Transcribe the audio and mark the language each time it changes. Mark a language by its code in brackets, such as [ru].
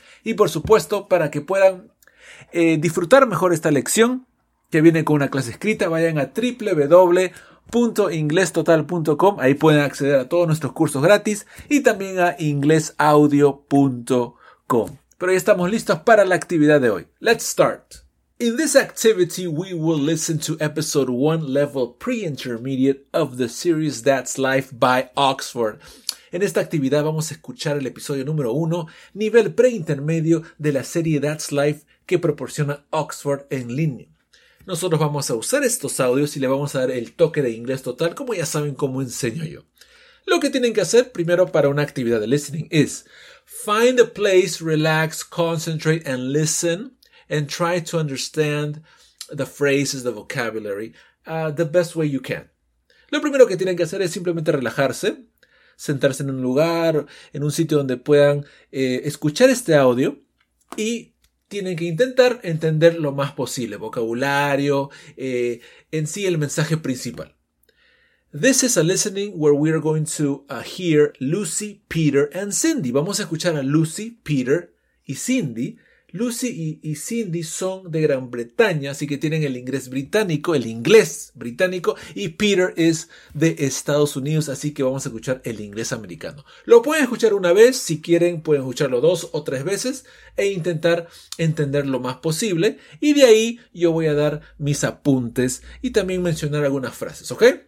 [es] Y por supuesto, para que puedan disfrutar mejor esta lección, que viene con una clase escrita, vayan a www.inglestotal.com. Ahí pueden acceder a todos nuestros cursos gratis y también a inglesaudio.com. Pero ya estamos listos para la actividad de hoy. [en] Let's start. In this activity, we will listen to episode 1, level pre-intermediate of the series That's Life by Oxford. [es] En esta actividad vamos a escuchar el episodio número 1, nivel pre-intermedio de la serie That's Life que proporciona Oxford en línea. Nosotros vamos a usar estos audios y le vamos a dar el toque de inglés total, como ya saben cómo enseño yo. Lo que tienen que hacer primero para una actividad de listening es [en] find a place, relax, concentrate and listen and try to understand the phrases, the vocabulary, the best way you can. [es] Lo primero que tienen que hacer es simplemente relajarse, sentarse en un lugar, en un sitio donde puedan escuchar este audio y tienen que intentar entender lo más posible, vocabulario, en sí el mensaje principal. [en] This is a listening where we are going to hear Lucy, Peter and Cindy. [es] Vamos a escuchar a Lucy, Peter y Cindy. Lucy y Cindy son de Gran Bretaña, así que tienen el inglés británico, y Peter es de Estados Unidos, así que vamos a escuchar el inglés americano. Lo pueden escuchar una vez, si quieren pueden escucharlo dos o tres veces e intentar entender lo más posible, y de ahí yo voy a dar mis apuntes y también mencionar algunas frases, ¿ok?